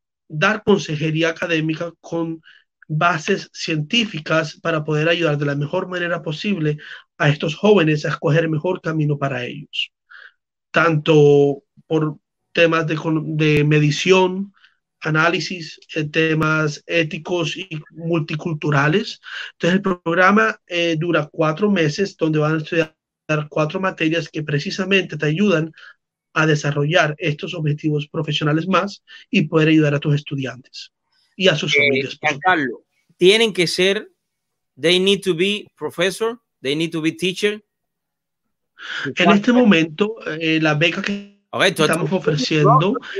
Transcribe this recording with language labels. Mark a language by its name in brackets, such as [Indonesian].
[Spanish] dar consejería académica con bases científicas para poder ayudar de la mejor manera posible a estos jóvenes a escoger el mejor camino para ellos, tanto por temas de medición, análisis, temas éticos y multiculturales. Entonces el programa dura 4 meses donde van a estudiar 4 materias que precisamente te ayudan a desarrollar estos objetivos profesionales más y poder ayudar a tus estudiantes y a sus familias. [English] Giancarlo, [Spanish] tienen que ser, [English] they need to be professor, they need to be teacher. [Spanish] En este momento, la beca que estamos ofreciendo,